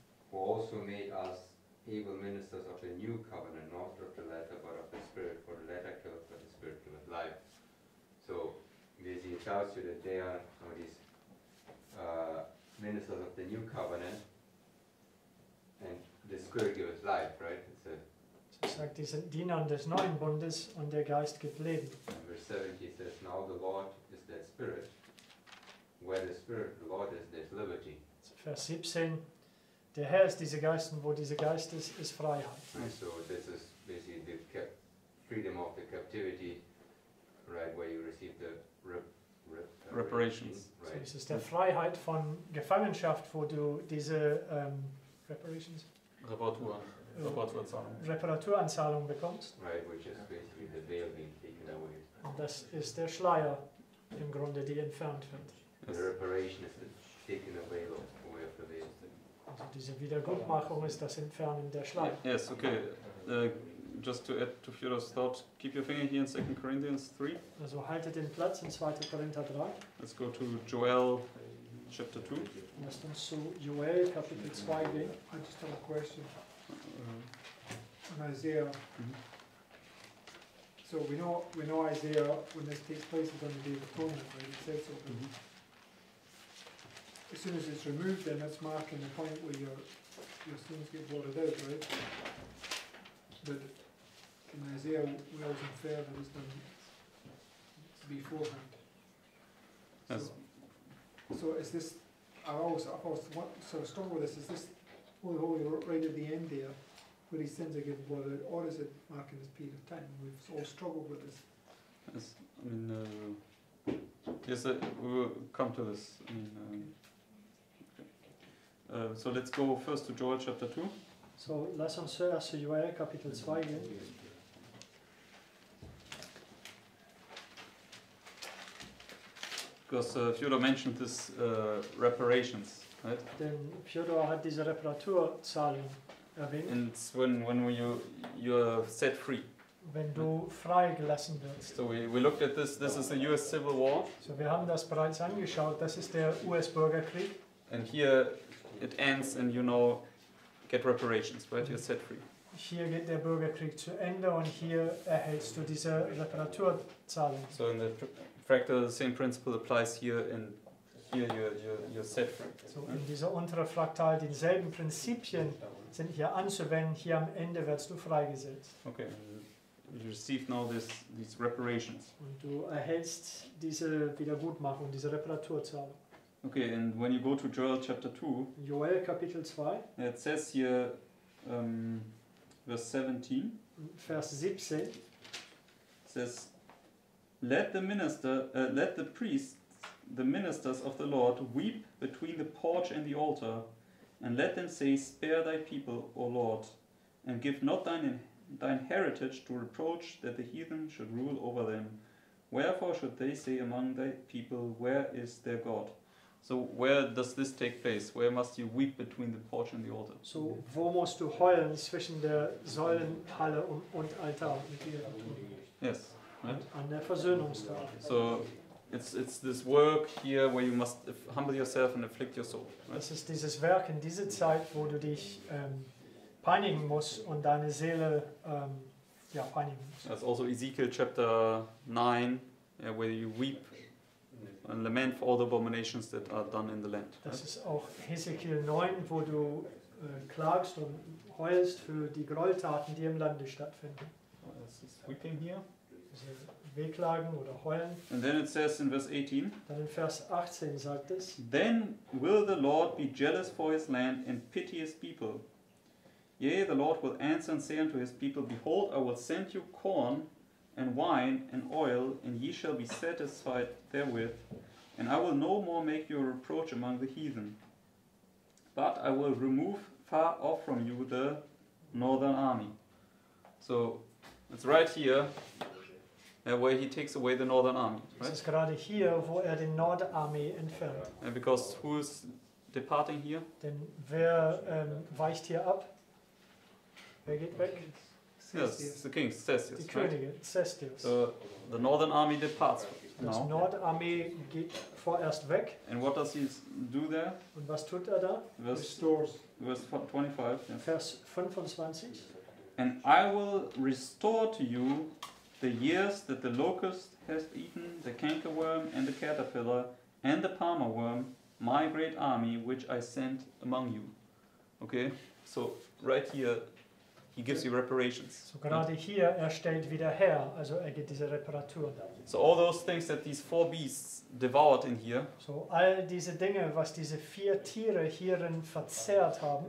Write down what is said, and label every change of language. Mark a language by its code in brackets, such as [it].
[en] who also made us able ministers of the new covenant, not of the letter, but of the Spirit, for the letter killed, but the Spirit giveth life. So basically he tells you that they are some of these ministers of the new covenant. And the Spirit gives life, right? [de] So [en] it [de] sagt, die sind Diener des neuen Bundes und der Geist gibt Leben. [en] Verse 7, he says, now the Lord is that Spirit. where the Spirit of the Lord is, there's liberty. [de] So Vers 17, der Herr ist dieser Geist, und wo dieser Geist ist, ist Freiheit. [en] And so this is basically the freedom of the captivity, right, where you receive the reparations. Right. [de] So es ist der Freiheit von Gefangenschaft, wo du diese reparations? Reparaturanzahlung bekommst. [en] Right, which is basically the veil being taken away. [de] Und das ist der Schleier, im Grunde, die entfernt wird. [en] The reparation is the taking away of the veil. [de] Also diese Wiedergutmachung ist das Entfernen der Schleier. [en] Yes, okay. Just to add to Fyodor's thought, keep your finger here in 2 Corinthians 3. [de] Also haltet den Platz in 2. Korinther 3. [en] Let's go to Joel chapter 2. [de] Lasst uns zu Joel Kapitel 2 gehen. [en] I just have a question. On Isaiah. Mm-hmm. So we know Isaiah, when this takes place, is on the Day of Atonement, right? It says so. Mm-hmm. As soon as it's removed, then that's marking the point where your sins get blotted out, right? But in Isaiah, we also infer that it's done beforehand. Yes. So is this, I struggle with this, is this Holy Holy right at the end there, where his sins are getting blotted, or is it marking this period of time? We've all struggled with this. Yes, I mean, we will come to this. I mean, so let's go first to Joel chapter 2. [de] So, lass uns zuerst zu Joel Kapitel 2 gehen. [en] Because Fyodor mentioned this reparations, right? [de] Denn Fyodor hat diese Reparaturzahlung erwähnt. [en] And it's when you are set free. [de] Wenn du freigelassen wirst. [en] So we looked at this is the US Civil War. [de] So wir haben das bereits angeschaut, das ist der US-Bürgerkrieg. [en] And here it ends and you know, get reparations, right? You're set free. [de] Hier geht der Bürgerkrieg zu Ende und hier erhältst du diese Reparaturzahlung. [en] So in the fractal, the same principle applies here, and here you're set free. [de] So in dieser untere Fraktal, dieselben Prinzipien sind hier anzuwenden. Hier am Ende wirst du freigesetzt. [en] Okay, you receive now these reparations. [de] Und du erhältst diese Wiedergutmachung, diese Reparaturzahlung. [en] Okay, and when you go to Joel chapter 2, [de] Joel Kapitel 2, [en] it says here, verse 17, [de] Vers 17, [en] it says, let the priests, the ministers of the Lord, weep between the porch and the altar, and let them say, spare thy people, O Lord, and give not thine heritage to reproach, that the heathen should rule over them. Wherefore should they say among thy people, where is their God? So where does this take place? Where must you weep between the porch and the altar? [de] So wo musst du heulen zwischen der Säulenhalle und Altar? [en] Yes, right? [de] An der Versöhnungstafel. [en] So it's this work here where you must humble yourself and afflict your soul. [de] Das ist dieses Werk in dieser Zeit, wo du dich peinigen musst und deine Seele peinigen musst. [en] That's also Ezekiel chapter 9, where you weep and lament for all the abominations that are done in the land. [de] Das ist auch Hesekiel 9, wo du klagst und heulst für die Gräueltaten, die im Lande stattfinden. Das ist [en] weeping here. [de] Also wehklagen oder heulen. [en] And then it says in verse 18. [de] Dann in Vers 18 sagt es. [en] Then will the Lord be jealous for his land and pity his people. Yea, the Lord will answer and say unto his people, behold, I will send you corn and wine and oil, and ye shall be satisfied therewith, and I will no more make you a reproach among the heathen. But I will remove far off from you the northern army. So it's right here where he takes away the northern army. Right? [de] Es ist gerade hier, wo die Nordarmee entfernt. [en] And because who's departing here? [de] Denn wer weicht hier ab? Wer geht weg? [en] Yes, the king, Cestius, [de] die Könige, [en] right? So the northern army departs now. [de] Das Nordarmee geht vorerst weg. [en] And what does he do there? [de] Und was tut er da? [en] Restores. Verse 25. Yes. [de] Vers 25. [en] And I will restore to you the years that the locust has eaten, the cankerworm and the caterpillar and the palmer worm, my great army which I sent among you. Okay, so right here, He gives you reparations. [de] So gerade hier, stellt wieder her, also gibt diese Reparatur da. [en] So all those things that these four beasts devoured in here. [de] So all diese Dinge, was diese vier Tiere hierin verzehrt haben.